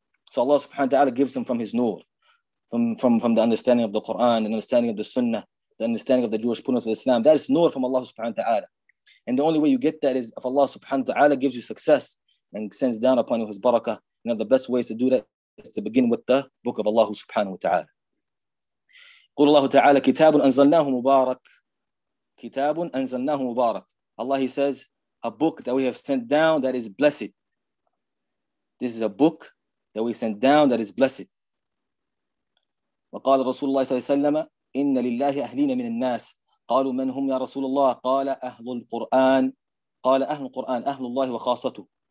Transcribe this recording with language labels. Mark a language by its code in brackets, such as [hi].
[en] So Allah subhanahu wa ta'ala gives him from his nur, from the understanding of the Quran, the understanding of the sunnah, the understanding of the Jewish punas of Islam. That is nur from Allah subhanahu wa ta'ala. And the only way you get that is if Allah subhanahu wa ta'ala gives you success and sends down upon you his barakah. You know, the best ways to do that is to begin with the book of Allah subhanahu wa ta'ala. [ar] قُلُ اللَّهُ تَعَالَى كِتَابٌ أَنزَلْنَاهُ مُبَارَكٌ كِتَابٌ أَنزَلْنَاهُ مُبَارَكٌ. [en] Allah, he says, a book that we have sent down that is blessed. This is a book that we sent down that is blessed. [ar] وَقَالَ رَسُولُ اللَّهِ صَلَّى اللَّهُ عَلَيْهِ وَسَلَّمَ إِنَّ لِلَّهِ أَهْلِينَ مِنَ النَّاسِ قَالُوا مَنْ هُمْ يَا رَسُولَ اللَّهِ قَالَ أَهْلُ الْقُرْآنِ قَالَ أَهْلُ الْقُرْآنِ أَهْلُ اللَّهِ وَخَاصَتُهُ.